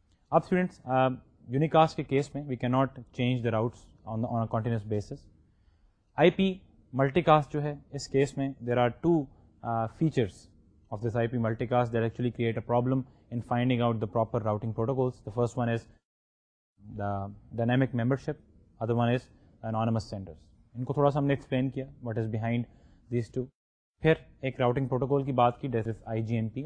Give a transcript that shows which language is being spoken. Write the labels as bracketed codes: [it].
[ur] اب students unicast کے case میں [en] We can not change the routes on a continuous basis. I P multicast [ur] جو ہے اس case میں, [en] There are two features of this I P multicast that actually create a problem in finding out the proper routing protocols. The first one is the dynamic membership, other one is anonymous senders. [ur] ان کو تھوڑا سا ہم نے explain کیا [en] What is behind these two. [ur] پھر ایک routing protocol کی بات کی, [en] That is I G M P.